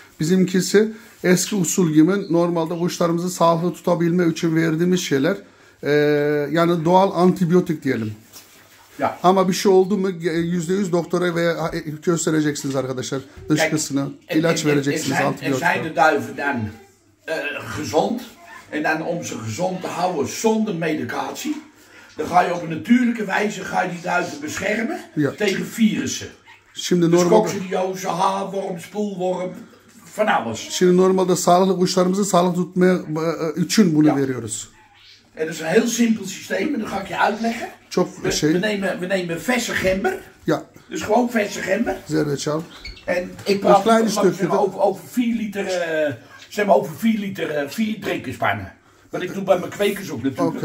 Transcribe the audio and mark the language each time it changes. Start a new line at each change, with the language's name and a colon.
Turkish: Bizimkisi eski usul gibi normalde kuşlarımızı sağlıklı tutabilme için verdiğimiz şeyler. Yani doğal antibiyotik diyelim. Ya. Ama bir şey oldu mu %100 doktora veya göstereceksiniz arkadaşlar dışkısını, ilaç vereceksiniz antibiyotika.
Dutch: En zijn de duiven dan gezond? En dan om ze gezond te houden zonder medicatie, dan ga je op een natuurlijke wijze ga je die duiven beschermen ja. Tegen virussen.
Turkish: Şimdi
Dutch: coccidiose, haarworm, spoelworm, van alles.
Turkish: Şimdi normalde sağlıklı kuşlarımızı sağlıklı tutmaya için bunu ja. Veriyoruz.
Dutch: Het is een heel simpel systeem en dat ga ik je uitleggen.
Turkish: Çok şey.
Dutch: We nemen verse gember. Ja. Dus gewoon verse gember.
Turkish: Zerreçal.
Dutch: En ik praat klein stukje over 4 liter, zeg maar over 4 liter, 4 drinkerspannen. Wat ik doe bij mijn kwekers ook natuurlijk.